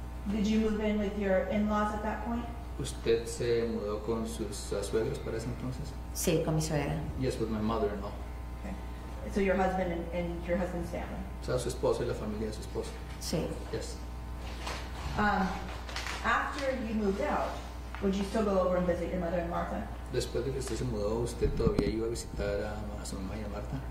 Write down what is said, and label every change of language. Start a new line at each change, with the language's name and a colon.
English: Did you move in with your in-laws at that point?
Spanish: ¿Usted se mudó con sus suegros para ese entonces? Sí, con mi suegra.
English: Yes, with my mother-in-law. So your husband and your husband's family.
Spanish: O sea, su esposo y la familia de su esposo. Sí.
English: Yes. After you moved out, would you still go over and visit your mother and Martha?
Spanish: Después de que usted se mudó, ¿usted todavía iba a visitar a su mamá y a Martha?